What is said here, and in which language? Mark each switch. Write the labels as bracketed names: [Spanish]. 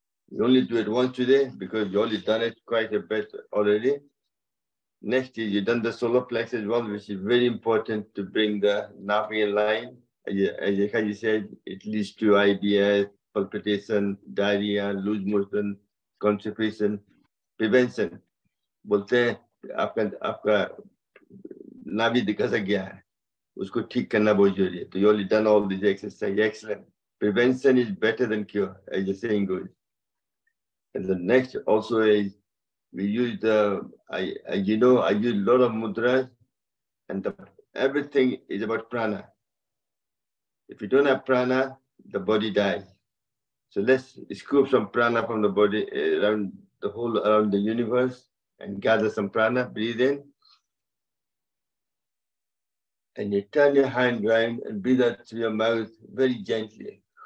[English] You only do it once today because you already done it quite a bit already. Next is you've done the solar plexus as well, which is very important to bring the nerve in line. As you said, it leads to IBS, palpitation, diarrhea, loose motion, constipation, prevention. [Hindi] बोलते हैं आपका आपका नाभि दिखा गया है उसको ठीक करना बहुत जरूरी [English] है तो you already done all this exercise excellent prevention is better than cure as you saying good and the next also is we use the I you know I use lot of mudras and everything is about prana if you don't have prana the body dies so let's scoop some prana from the body around the whole around the universe And gather some prana, breathe in. And you turn your hand around and breathe out through your mouth very gently.